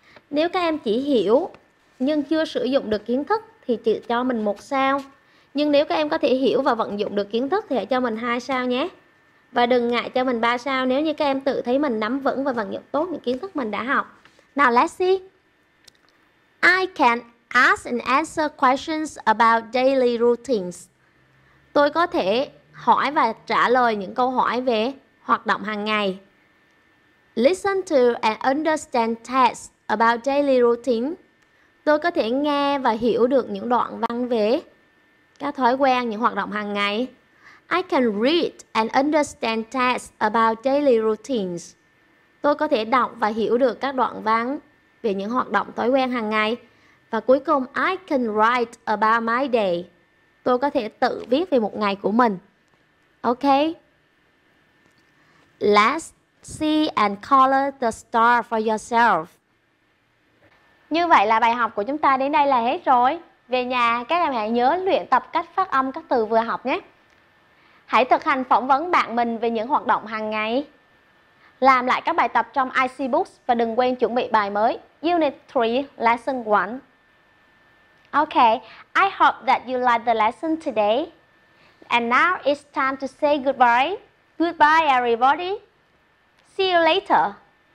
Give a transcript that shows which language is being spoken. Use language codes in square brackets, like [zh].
[vi] Nếu các em chỉ hiểu nhưng chưa sử dụng được kiến thức thì chị cho mình 1 sao. Nhưng nếu các em có thể hiểu và vận dụng được kiến thức thì hãy cho mình 2 sao nhé. Và đừng ngại cho mình 3 sao nếu như các em tự thấy mình nắm vững và vận dụng tốt những kiến thức mình đã học. [en] Now let's see. I can ask and answer questions about daily routines. [vi] Tôi có thể hỏi và trả lời những câu hỏi về hoạt động hàng ngày. [en] Listen to and understand text about daily routine. [vi] Tôi có thể nghe và hiểu được những đoạn văn về các thói quen, những hoạt động hàng ngày. [en] I can read and understand text about daily routines. [vi] Tôi có thể đọc và hiểu được các đoạn văn về những hoạt động thói quen hàng ngày. Và cuối cùng, [en] I can write about my day. [vi] Tôi có thể tự viết về một ngày của mình. [en] Ok. Let's see and color the star for yourself. [vi] Như vậy là bài học của chúng ta đến đây là hết rồi. Về nhà, các em hãy nhớ luyện tập cách phát âm các từ vừa học nhé. Hãy thực hành phỏng vấn bạn mình về những hoạt động hàng ngày. Làm lại các bài tập trong IC Books và đừng quên chuẩn bị bài mới. Unit 3, Lesson 1. [en] Okay, I hope that you like the lesson today. And now it's time to say goodbye. Goodbye, everybody. See you later.